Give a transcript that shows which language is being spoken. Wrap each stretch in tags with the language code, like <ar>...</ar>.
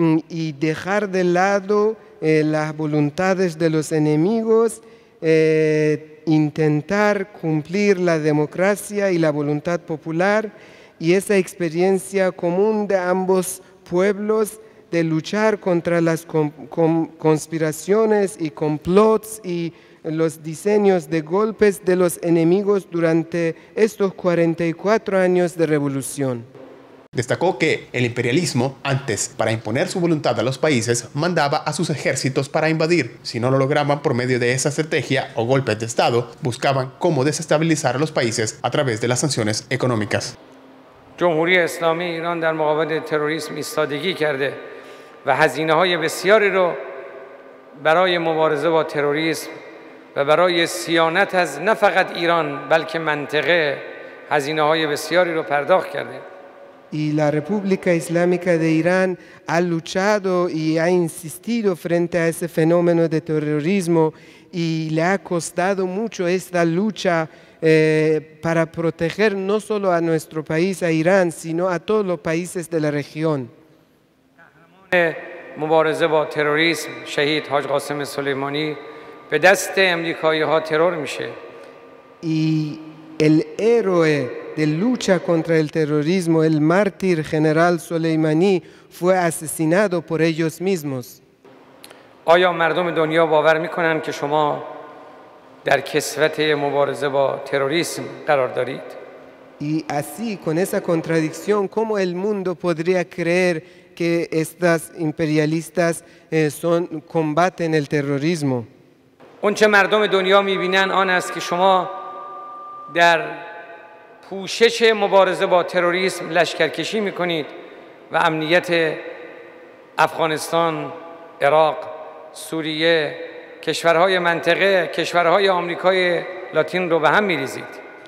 <es>y dejar de lado las voluntades de los enemigos, intentar cumplir la democracia y la voluntad popular y esa experiencia común de ambos pueblos de luchar contra las conspiraciones y complots y los diseños de golpes de los enemigos durante estos 44 años de revolución. Destacó que el imperialismo, antes, para imponer su voluntad a los países, mandaba a sus ejércitos para invadir. Si no lo lograban por medio de esa estrategia o golpes de Estado, buscaban cómo desestabilizar a los países a través de las sanciones económicas.</es> <fa>جمهوری اسلامی ایران در مقابل تروریسم ایستادگی کرده و هزینه های بسیاری رو برای مبارزه با تروریسم و برای سیانت از نه فقط ایران بلکه منطقه هزینه های بسیاری رو پرداخت کرده.</fa> <es>Y la República Islámica de Irán ha luchado y ha insistido frente a ese fenómeno de terrorismo y le ha costado mucho esta lucha para proteger no solo a nuestro país, a Irán, sino a todos los países de la región.</es> <fa>مبارزه با تروریسم شهید حاج قاسم سلیمانی به دست امریکایی ها ترور میشه. ای ال هروئه</fa> <es>de lucha contra el terrorismo, el mártir general Soleimani fue asesinado por ellos mismos.</es> <fa>آیا مردم دنیا باور میکنن که شما در کسوت مبارزه با تروریسم قرار دارید؟</fa> <es>Y así, con esa contradicción, ¿cómo el mundo podría creer que estas imperialistas combaten el terrorismo?</es> <fa>اون چه مردم دنیا میبینن آن است که شما در پوشش مبارزه با تروریسم لشکرکشی میکنید و امنیت افغانستان، عراق، سوریه، کشورهای منطقه، کشورهای آمریکای لاتین رو به هم میریزید.</fa>